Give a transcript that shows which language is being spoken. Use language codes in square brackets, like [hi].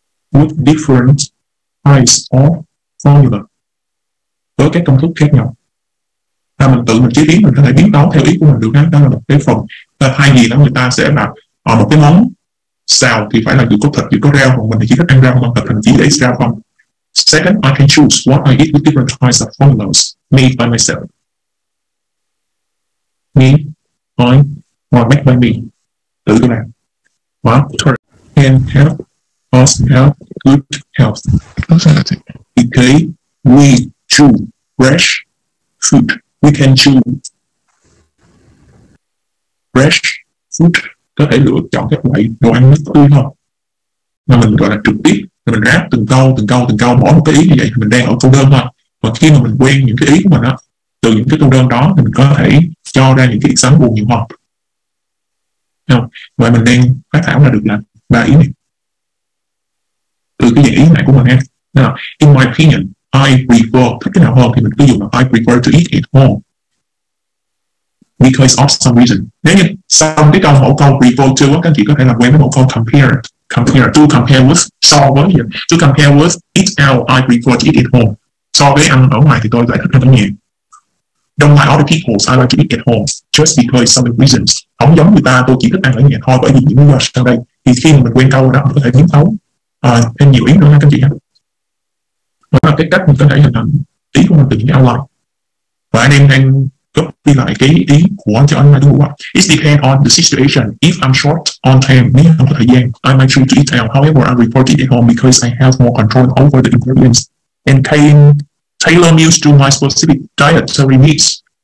[en] With different price or formula, [vi] với các công thức khác nhau. Là mình tự mình chế biến, mình có thể biến tấu theo ý của mình được. Đó là một cái phần hay gì đó. Người ta sẽ là ở một cái món xào thì phải là vừa có thịt vừa có rau, còn mình thì chỉ thích ăn rau hoặc thịt, mình chỉ để rau không. [en] Second, I can choose what I eat with different types of formulas made by myself. Me, I, or make by me. [vi] Tự cái này. [en] What? Third, can help us have good health. Okay, we chew fresh food. We can chew fresh food. [vi] Có thể lựa chọn các loại đồ ăn nó tươi hơn. Mà mình gọi là trực tiếp thì mình ráp từng câu từng câu từng câu, mỗi một cái ý như vậy thì mình đang ở câu đơn thôi. Và khi mà mình quen những cái ý của mình á, từ những cái câu đơn đó thì mình có thể cho ra những cái ý sáng buồn nhiều hơn. Vậy mình đang phát thảo là được là ba ý này từ cái dạng ý này của mình ha. [en] In my opinion, I prefer, [vi] thích cái nào hơn thì mình cứ dùng là [en] I prefer to eat at home because of some reason. [vi] Nếu như xong cái câu mẫu câu prefer to, các anh chị có thể làm quen với mẫu câu compare. [en] Compare, to compare with, [vi] so với, [en] to compare with, eat out, I prefer to eat at home. [vi] So với ăn ở ngoài thì tôi lại thích ăn nhiều. [en] Don't like other people, so I like to eat at home just because some reasons. [vi] Không giống người ta, tôi chỉ thích ăn ở nhà thôi bởi vì những lý do sau đây. Thì khi mà mình quen câu đó, mình có thể biến tấu thêm nhiều ý nữa nha các anh chị. Đó là cái cách mình có thể hình thành ý của mình từ những outline. Và anh em đang copy lại cái ý của anh cho anh này đúng không? [en] It depends on the situation. If I'm short on time, [vi] nếu không có thời gian, [en] I might choose to eat out. However, I prefer to eat at home because I have more control over the ingredients and can tailor meals to my specific dietary needs.